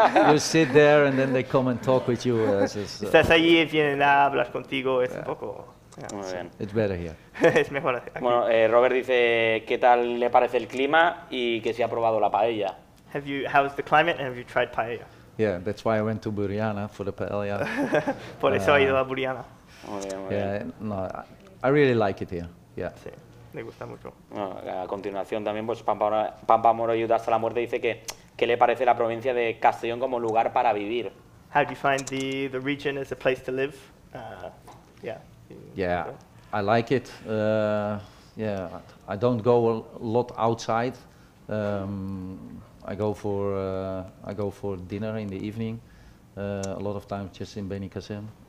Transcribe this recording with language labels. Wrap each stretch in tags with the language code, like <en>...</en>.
<en>You sit there and then they come and talk with you.</en> <es>Estás allí y vienen a hablar contigo, es un poco... Es mejor aquí. Bueno, Robert dice qué tal le parece el clima y que si ha probado la paella.</es> <en>Have you, how's the climate and have you tried paella? Yeah, that's why I went to Buriana for the paella.</en> <es>Por eso he ido a Buriana. Muy bien.</es> <en>Yeah, no, I really like it here. Yeah.</en> <es>Sí, me gusta mucho. Bueno, a continuación también, pues Pampa Moro ayuda hasta la muerte dice que qué le parece la provincia de Castellón como lugar para vivir.</es> <en>How do you find the region as a place to live? Yeah, I like it. I don't go a lot outside. I go for dinner in the evening. A lot of times just in Benicassim.</en>